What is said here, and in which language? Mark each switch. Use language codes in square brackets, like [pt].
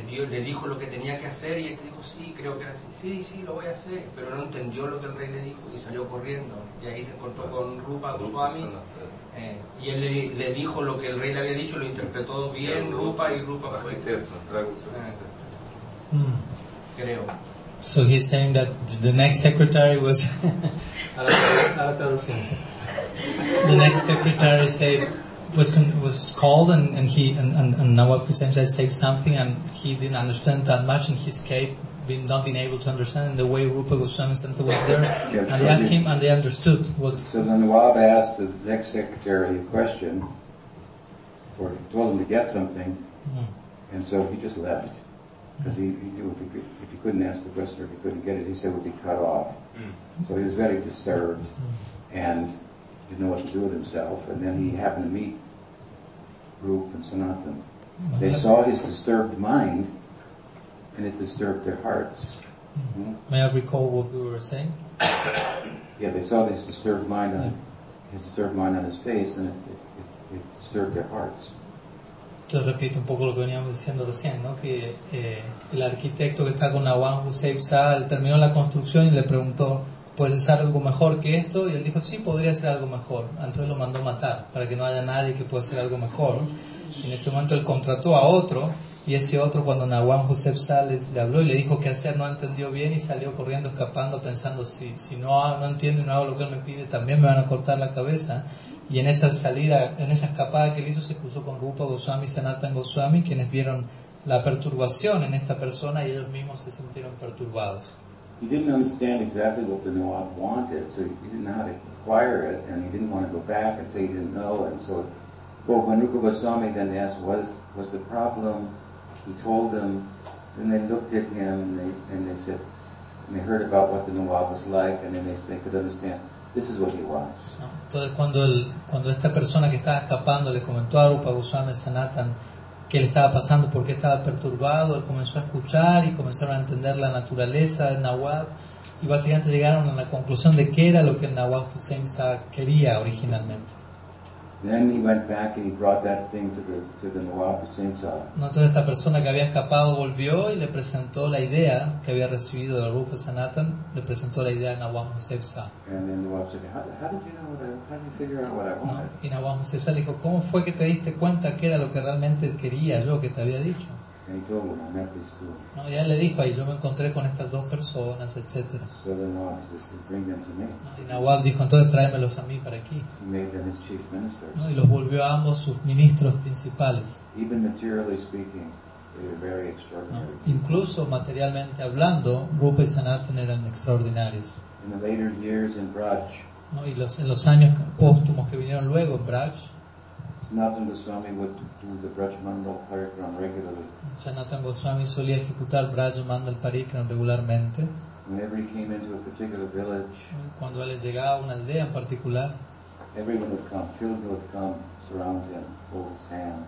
[es] Le dijo lo que tenía que hacer y este dijo sí, creo que era así, sí, lo voy a hacer, pero no entendió lo que el rey le dijo y salió corriendo y ahí se encontró con Rupa Goswami y él le dijo lo que el rey le había dicho, lo interpretó bien Rupa y Rupa fue creo. [en] So he's saying that the next secretary was the next secretary said was called and Nawab Hussein Shah said something and he didn't understand that much and he escaped not being able to understand, and the way Rupa Goswami Santa was there and they asked him and they understood what. So the Nawab asked the next secretary a question or told him to get something and so he just left because he knew if he couldn't ask the question or if he couldn't get it, he said it would be cut off. So he was very disturbed and didn't know what to do with himself, and then he happened to meet Rupa and Sanatan. They saw his disturbed mind, and it disturbed their hearts. May I recall what we were saying? Yeah, they saw his disturbed mind on his face, and it disturbed their hearts. [es] Te repito un poco lo que veníamos diciendo recién, ¿no? Que el arquitecto que está con Nawab Hussein Shah terminó la construcción y le preguntó, ¿puedes hacer algo mejor que esto? Y él dijo, sí, podría hacer algo mejor. Entonces lo mandó matar, para que no haya nadie que pueda hacer algo mejor. Y en ese momento él contrató a otro, y ese otro, cuando Nawab Hussein Shah le habló y le dijo qué hacer, no entendió bien y salió corriendo, escapando, pensando, si no entiendo y no hago lo que él me pide, también me van a cortar la cabeza. Y en esa salida, en esa escapada que él hizo, se cruzó con Rupa Goswami y Sanatan Goswami, quienes vieron la perturbación en esta persona y ellos mismos se sintieron perturbados. [en] He didn't understand exactly what the Nawab wanted, so he didn't know how to acquire it, and he didn't want to go back and say he didn't know. And so, when Rupa Goswami then asked, what's the problem? He told them, and they looked at him, and they heard about what the Nawab was like, and then they could understand, this is what he wants. [es] Entonces, cuando esta persona que estaba escapando le comentó a Rupa Goswami Sanatan qué le estaba pasando, por qué estaba perturbado, él comenzó a escuchar y comenzaron a entender la naturaleza de Nawab y básicamente llegaron a la conclusión de qué era lo que Nawab Hussein Shah quería originalmente. [en] Then he went back and he brought that thing to the Nawab Hussein Shah. [es] Entonces esta persona que había escapado volvió y le presentó la idea que había recibido de Rupa Sanatan, le presentó la idea a Nawab Hussein Shah. [en] And then Nawab said, how did you figure out what I wanted? [es] No. Y Nawab Hussein Shah le dijo, ¿cómo fue que te diste cuenta que era lo que realmente quería yo, que te había dicho? [en] And he told [es] me, ya le dijo, ahí yo me encontré con estas dos personas, etc. [en] So then Nawab said, bring them to me. [es] Y Nawab dijo, entonces tráemelos a mí para aquí. [en] He made them his chief ministers. [es] No, y los volvió a ambos sus ministros principales. [en] Even materially speaking, they were very extraordinary. No. [es] Incluso materialmente hablando, Rupa y Sanatan eran extraordinarios. [en] In the later years in Braj, [es] no, y en los años póstumos que vinieron luego en Braj, [en] Sanatan Goswami would do the Braj Mandal Parikram regularly. [es] Sanatan Goswami solía ejecutar Braj Mandal Parikram regularmente. [en] Whenever he came into a particular village, [es] cuando él llegaba a una aldea en particular, [en] everyone would come, children would come, surround him, hold his hand.